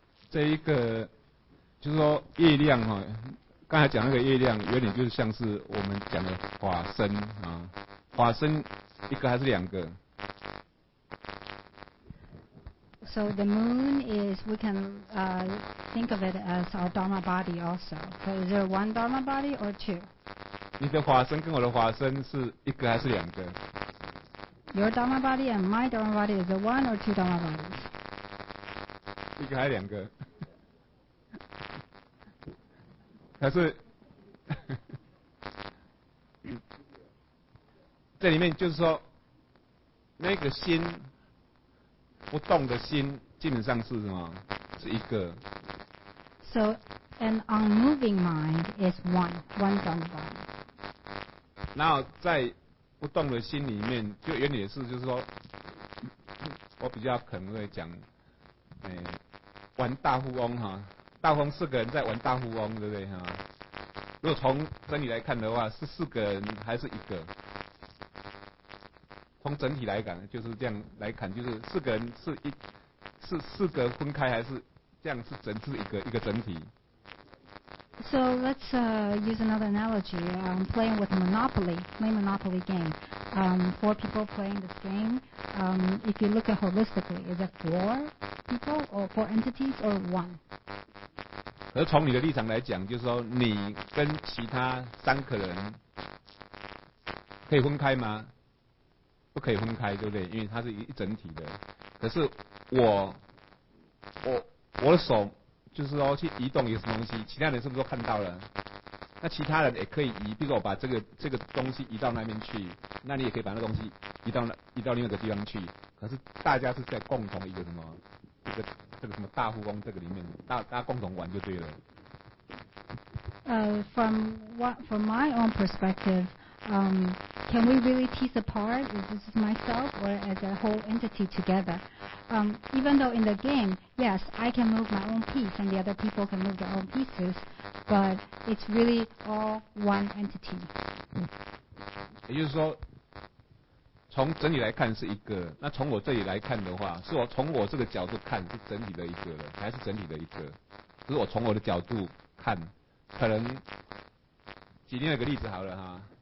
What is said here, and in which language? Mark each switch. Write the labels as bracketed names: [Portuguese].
[Chinese] 这一个就是说月亮哈，刚才讲那个月亮有点就是像是我们讲的化身啊，化身一个还是两个 [English] ？So the moon is we can think of it as our dharma body also. So is there one dharma body or two? [Chinese] 你的化身跟我的化身是一个还是两个 [English] ？Your dharma body and my dharma body is it one or two dharma bodies? [Chinese] 一个还是两个？可是，这里面就是说，那个心不动的心，基本上是什么？是一个。 [English] So an unmoving mind is one dharma body. [Chinese] 然后在不动的心里面，就原理是，就是说，我比较可能会讲，玩大富翁哈，大富翁四个人在玩大富翁，对不对哈？如果从整体来看的话，是四个人还是一个？从整体来讲，就是这样来看，就是四个人是四个分开，还是这样是整是一个整体？ [English] So let's use another analogy, playing with Monopoly, play Monopoly game. Four people playing this game, if you look at holistically, is it four people or four entities or one? [Chinese] 而从你的立场来讲，就是说你跟其他三个人可以分开吗？不可以分开，对不对？因为它是一整体的。可是我的手就是说去移动一个什么东西，其他人是不是都看到了？那其他人也可以移，比如说我把这个东西移到那边去，那你也可以把那东西移到另外一个地方去。可是大家是在共同一个什么一个这个什么大富翁这个里面，大家共同玩就对了。 [English] From my own perspective, can we really tease apart is this myself or as a whole entity together? Even though in the game, yes, I can move my own piece and the other people can move their own pieces. But it's really all one entity. [Chinese] 也就是说，从整体来看是一个。那从我这里来看的话，是我从我这个角度看是整体的一个了，还是整体的一个？只是我从我的角度看，可能举另外一个例子好了哈。